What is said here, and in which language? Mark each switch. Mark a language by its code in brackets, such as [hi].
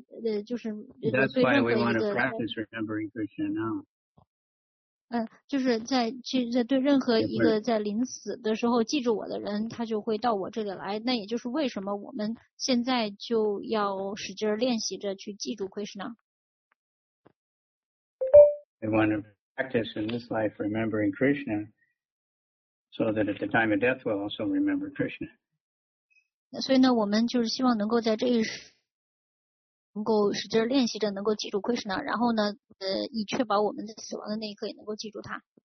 [en] That's why we want to practice remembering Krishna now. [zh] 就是在对任何一个在临死的时候记住我的人，他就会到我这里来。那也就是为什么我们现在就要使劲练习着去记住 Krishna。 [en] We want to practice in this life remembering Krishna, so that at the time of death we'll also remember Krishna. [zh] 所以呢，我们就是希望能够在这一世能够使劲练习着能够记住 Krishna, 然后呢以确保我们在死亡的那一刻也能够记住他。